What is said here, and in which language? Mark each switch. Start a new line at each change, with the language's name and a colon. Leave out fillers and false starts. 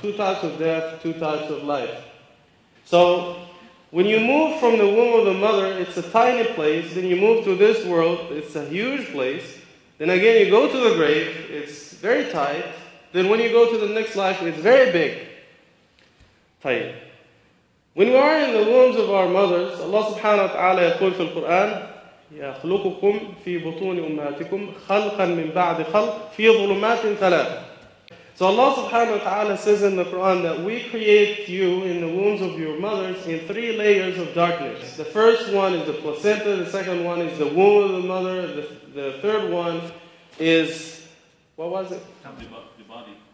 English: Two types of death, two types of life. So when you move from the womb of the mother, it's a tiny place. Then you move to this world, it's a huge place. Then again, you go to the grave, it's very tight. Then when you go to the next life, it's very big. Tight. When we are in the wombs of our mothers, Allah subhanahu wa ta'ala
Arabic: يقول في القرآن يخلقكم في بطون أمهاتكم خلقا من بعد خلق في ظلمات ثلاث.
English: So Allah subhanahu wa ta'ala says in the Quran that we create you in the wombs of your mothers in three layers of darkness. The first one is the placenta, the second one is the womb of the mother, the third one is, what was it? The body.